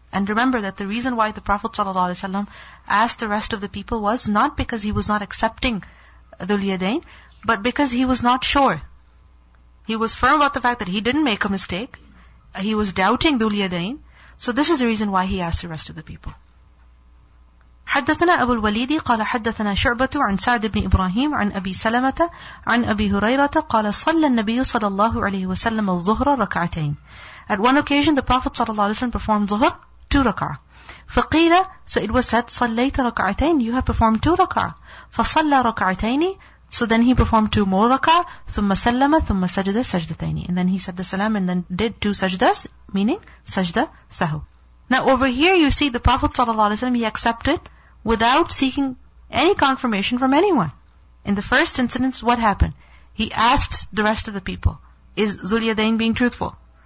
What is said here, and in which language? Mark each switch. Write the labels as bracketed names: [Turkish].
[English] And remember that the reason why the Prophet ﷺ asked the rest of the people was not because he was not accepting Dhul Yadain, but because he was not sure. He was firm about the fact that he didn't make a mistake. He was doubting Dhul Yadain. So this is the reason why he asked the rest of the people. [Arabic] حدثنا أبو الوليد قال حدثنا شعبة عن سعد بن إبراهيم عن أبي سلمة عن أبي هريرة قال صلى النبي صلى الله عليه وسلم الظهر ركعتين. [English] At one occasion the Prophet [Arabic] صلى الله عليه وسلم [English] performed ظهر two ركعة. [Arabic] فقيل, [English] so it was said, [Arabic] صليت ركعتين, [English] you have performed two ركعة. [Arabic] فصلى ركعتين, [English] so then he performed two more [Arabic] ركعة, ثم سلم ثم سجد سجدتين. [English] And then he said the salam and then did two sajdas, meaning sajda sahu. Now over here you see the Prophet ﷺ, he accepted without seeking any confirmation from anyone. In the first instance, what happened? He asked the rest of the people, is Dhul Yadain being truthful?